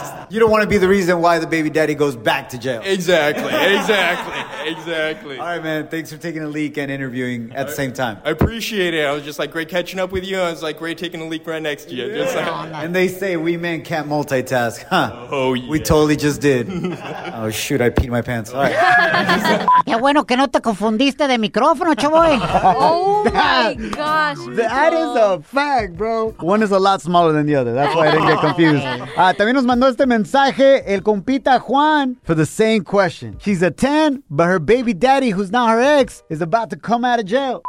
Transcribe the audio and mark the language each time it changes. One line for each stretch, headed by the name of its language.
English: You don't want to be the reason why the baby daddy goes back to jail. Exactly. All right, man. Thanks for taking a leak and interviewing at the same time. I appreciate it. I was just like, great catching up with you. I was like, great taking a leak right next to you. Yeah. Just like, and they say we men can't multitask, huh? Oh, yeah. We totally just did. Oh, shoot. I peed my pants. All right.
Spanish: Qué bueno que no te confundiste de micrófono, chavoy.
English: Oh, my gosh. That is a fact, bro. One is a lot smaller than the other. That's why I didn't get confused.
Spanish: También nos mandó este mensaje el compita Juan
English: for the same question. She's a 10, but her baby daddy, who's now her ex, is about to come out of jail.